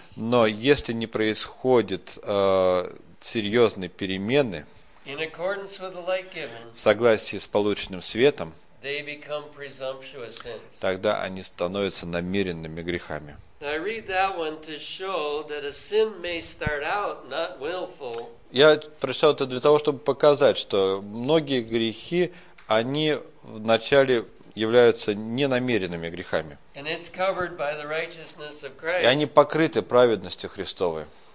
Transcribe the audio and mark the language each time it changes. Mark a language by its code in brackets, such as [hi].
[ru] но если не происходит серьезной перемены [en] in accordance with the light given, [ru] в согласии с полученным светом, [en] they become presumptuous sins. [ru] Тогда они становятся намеренными грехами. [en] I read that one to show that a sin may start out not willful. [ru] Я прочитал это для того, чтобы показать, что многие грехи, они вначале являются ненамеренными грехами. И они покрыты праведностью Христовой.